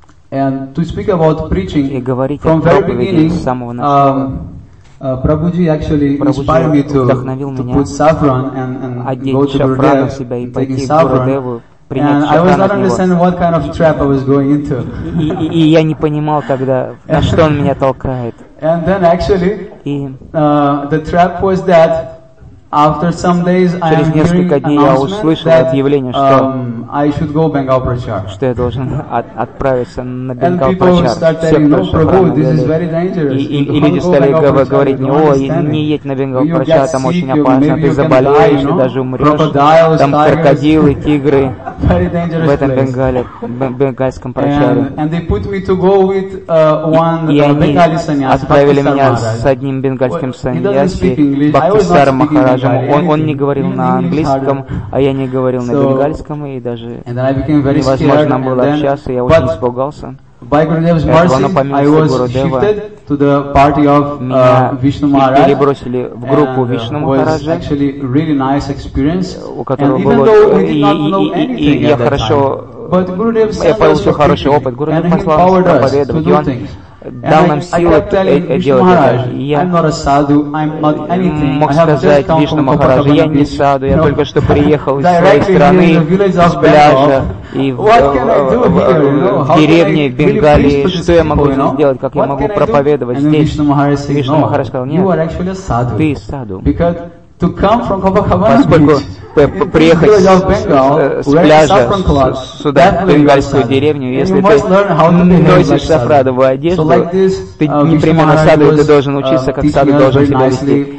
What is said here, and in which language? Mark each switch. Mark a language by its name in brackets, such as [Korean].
[English] And to speak about preaching, from the very beginning, Prabhuji actually inspired me to put saffron and go to Gurudev, taking saffron. And I was not understanding what kind of trap I was going into. [Russian] И я не понимал тогда, на что он меня толкает. [English] And then actually, the trap was that after some days I am hearing announcement that I should go Bengal Prachar. [Russian] Что я должен отправиться на Бенгал. [English] And people start telling, "No, Prabhu, this is very dangerous." [Russian] И люди стали говорить, "О, не едь на Бенгал Прачар, там очень опасно, ты заболеешь, ты даже умрешь, там крокодилы, тигры в этом Бенгале, бенгальском Прачаре." [English] And they put me to go with one Bengali sannyasi. [Russian] Отправили меня с одним бенгальским сannyasi, Бхактисар Махарадж. Он не говорил на английском, а я не говорил на бенгальском, и даже невозможно было общаться, я очень испугался. [English] By Gurudev's mercy, I was shifted to the party of Vishnu Maharaj, and it was actually a really nice experience. And even though we did not know anything at that time, but Gurudev sent us to preaching, and he empowered us to do things. And I kept telling Vishnu Maharaj, I'm not a sadhu, I'm not anything, I have just come from Kopparagam beach, directly in the village of Bengal. What can I do here, [Russian] В деревне, в Бенгалии, что я могу сделать, как я могу проповедовать здесь? [English] Vishnu Maharaj said, no, you are actually a sadhu. [Russian] Ты садху. [English] Because to come from Kopparagam beach, [Russian] приехать с пляжа сюда, в бенгальскую деревню, если ты носишь сафрадовую одежду, ты непременно саду, ты должен учиться, как саду должен себя вести.